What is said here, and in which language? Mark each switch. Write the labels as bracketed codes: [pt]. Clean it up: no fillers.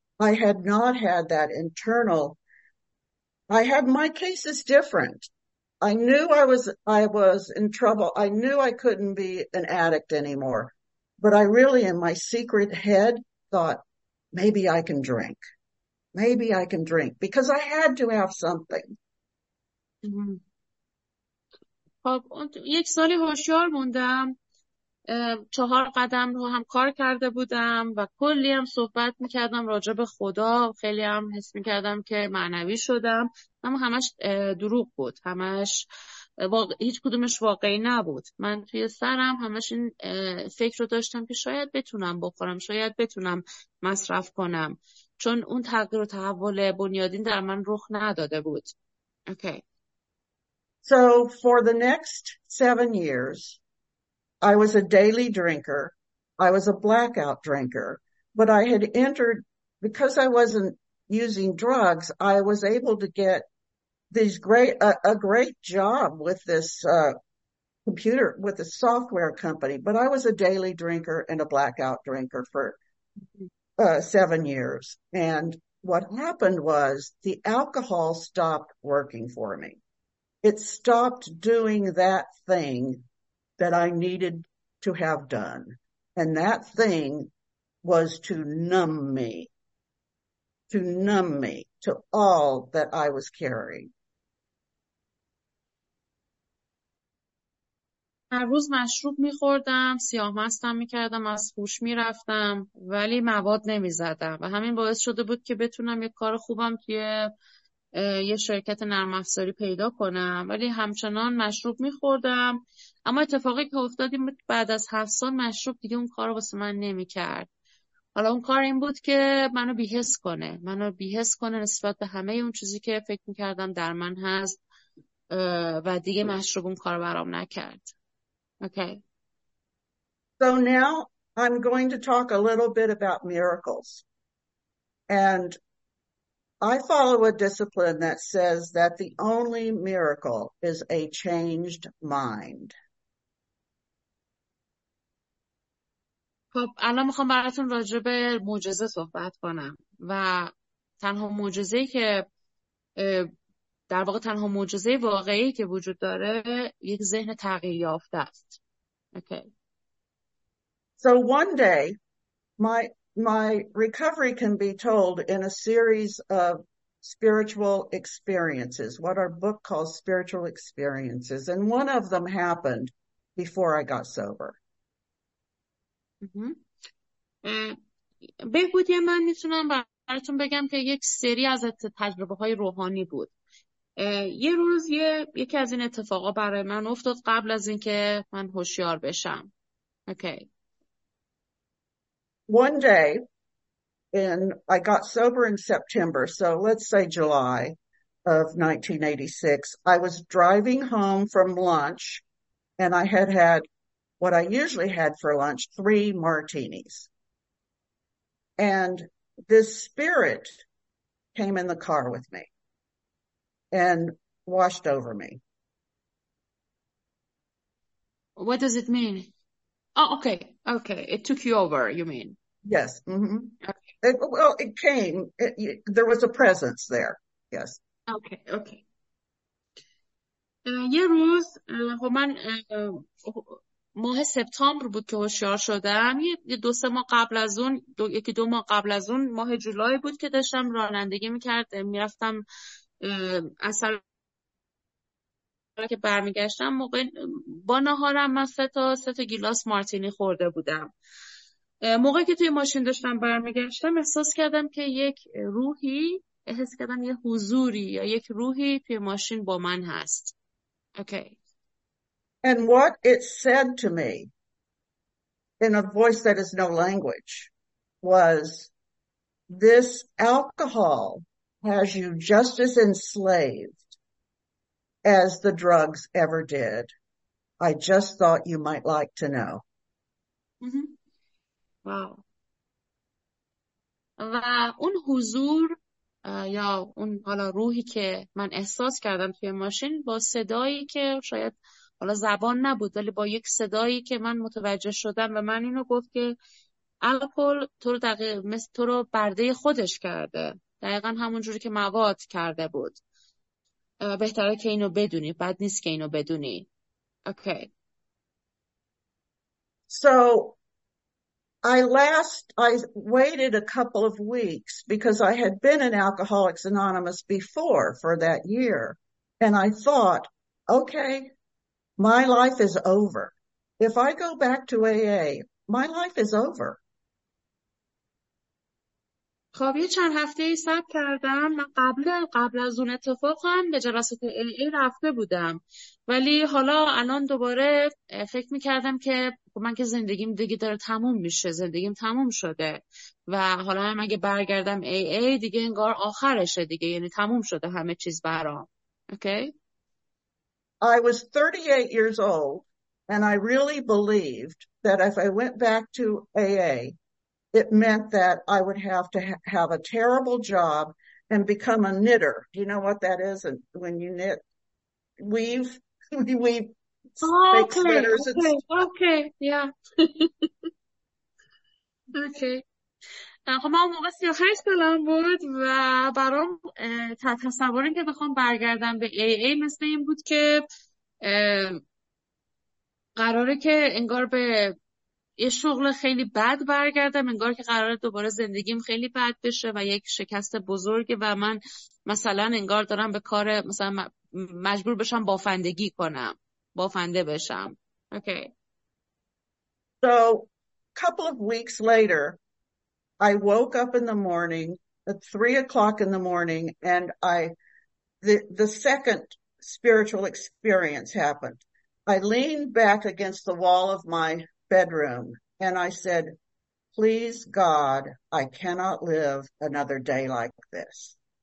[en] I had not had that internal. I had my cases different. I knew I was in trouble. I knew I couldn't be an addict anymore. But I really, in my secret head, thought, maybe I can drink. Maybe I can drink. Because I had to have something. [fa] خب یک سالی هوشیار موندم، چهار قدم رو هم کار کرده بودم و کلی هم صحبت میکردم راجع به خدا، خیلی هم حس میکردم که معنوی شدم، اما همش دروغ بود، همش هیچ کدومش واقعی نبود. من توی سرم همش این فکر رو داشتم که شاید بتونم بخورم، شاید بتونم مصرف کنم، چون اون تغییر و تحول بنیادین در من رخ نداده بود. [en] Okay. So for the next 7 years, I was a daily drinker. I was a blackout drinker, but I had entered, because I wasn't using drugs, I was able to get these great, a great job with this computer, with a software company. But I was a daily drinker and a blackout drinker for 7 years. And what happened was the alcohol stopped working for me. It stopped doing that thing that I needed to have done. And that thing was to numb me. to numb me to all that I was carrying. [fa] هر روز مشروب میخوردم، سیاه مستم میکردم، از هوش میرفتم، ولی مواد نمیزدم و همین باعث شده بود که بتونم یک کار خوبم توی یه شرکت نرم افزاری پیدا کنم، ولی همچنان مشروب میخوردم. اما اتفاقی که افتاد این بود بعد از 7 سال مشروب دیگه اون کار واسه من نمیکرد. حالا اون کار این بود که منو بیحس کنه، منو بیحس کنه نسبت به همه اون چیزی که فکر میکردم در من هست و دیگه مشروب اون کار برام نکرد. [en] Okay. So now I'm going to talk a little bit about miracles. And I follow a discipline that says that the only miracle is a changed mind. [fa] خب الان میخوام براتون راجع به معجزه صحبت کنم و تنها معجزه‌ای که در واقع تنها معجزه واقعی که وجود داره یک ذهن تغییر یافته است. [en] Okay. So one day, my recovery can be told in a series of spiritual experiences, what our book calls spiritual experiences, and one of them happened before I got sober. [fa] بهبودی من میتونم براتون بگم که یک سری از تجربه های روحانی بود. یه روز یکی از این اتفاقا برای من افتاد قبل از اینکه من هوشیار بشم. [en] Okay. One day, and I got sober in September, so let's say July of 1986, I was driving home from lunch, and I had had what I usually had for lunch, 3 martinis. And this spirit came in the car with me and washed over me. What does it mean? Oh, okay. Okay. It took you over, you mean? Yes. Okay. It came. There was a presence there. Yes. Okay. Okay. [fa] یه روز خب من ماه سپتامبر بود که هوشیار شدم. یه دو سه ماه قبل از اون دو یکی دو ماه قبل از اون ماه جولای بود که داشتم رانندگی میکردم میرفتم اصل که برمیگشتم موقع با نهارم من سه تا گیلاس مارتینی خورده بودم. موقعی که توی ماشین داشتم برمیگشتم احساس کردم که یک روحی احساس کردم یه حضوری یا یک روحی توی ماشین با من هست. [en] Okay. And what it said to me in a voice that is no language was, this alcohol has you just as enslaved as the drugs ever did. I just thought you might like to know. واو. [fa] و اون حضور یا اون حالا روحی که من احساس کردم توی ماشین با صدایی که شاید حالا زبان نبود ولی با یک صدایی که من متوجه شدم و من اینو گفت که الکل تو رو دقیق مثل تو رو برده خودش کرده، دقیقا همون جوری که مواد کرده بود، بهتره که اینو بدونی، بد نیست که اینو بدونی. [en] Okay. So I waited a couple of weeks because I had been in Alcoholics Anonymous before for that year. And I thought, okay, my life is over. If I go back to AA, my life is over. [fa] خب یه چند هفته ای صبر کردم. من قبل از اون اتفاق هم به جلسات AA رفته بودم ولی حالا الان دوباره فکر میکردم که من که زندگیم دیگه داره تموم میشه، زندگیم تموم شده و حالا هم اگه برگردم AA دیگه انگار آخرشه دیگه، یعنی تموم شده همه چیز برام. [en] Okay. I was 38 years old and I really believed that if I went back to AA, it meant that I would have to have a terrible job and become a knitter. Do you know what that is? And when you knit, weave, make sweaters. Okay, okay, yeah. Okay. [fa] خب من اون موقع 38 سالم بود و برام تصور این که بخوام برگردم به ای ای مثل این بود که قراره که انگار به یه شغل خیلی بد برگردم، انگار که قرار دوباره زندگیم خیلی بد بشه و یک شکست بزرگه، و من مثلا انگار دارم به کار مثلا مجبور بشم بافندگی کنم، بافنده بشم. [en] Okay. So, a couple of weeks later, I woke up in the morning at 3 o'clock in the morning, and the second spiritual experience happened. I leaned back against the wall of my bedroom and I said, "Please God, I cannot live another day like this."